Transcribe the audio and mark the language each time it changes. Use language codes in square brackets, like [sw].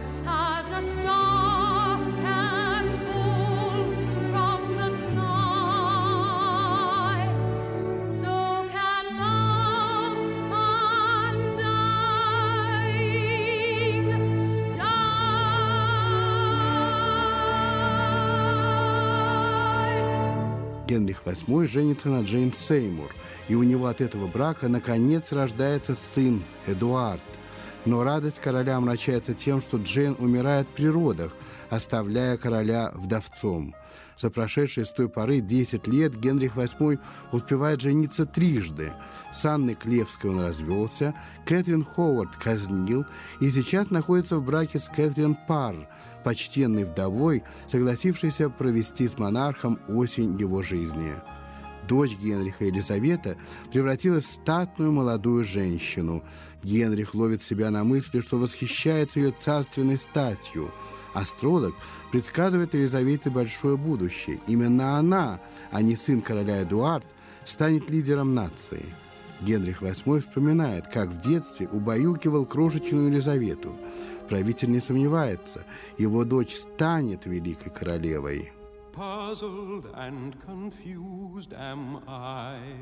[en] As a star can fall from the sky, so can love undying die. [ru] Генрих VIII женится на Джейн Сеймур, и у него от этого брака наконец рождается сын Эдуард. Но радость короля омрачается тем, что Джейн умирает при родах, оставляя короля вдовцом. За прошедшие с той поры 10 лет Генрих VIII успевает жениться трижды. С Анной Клевской он развелся, Кэтрин Ховард казнил, и сейчас находится в браке с Кэтрин Парр, почтенной вдовой, согласившейся провести с монархом осень его жизни. Дочь Генриха Елизавета превратилась в статную молодую женщину. Генрих ловит себя на мысли, что восхищается ее царственной статью. Астролог предсказывает Елизавете большое будущее. Именно она, а не сын короля Эдуард, станет лидером нации. Генрих VIII вспоминает, как в детстве убаюкивал крошечную Елизавету. Правитель не сомневается, его дочь станет великой королевой. [en] Puzzled and confused am I.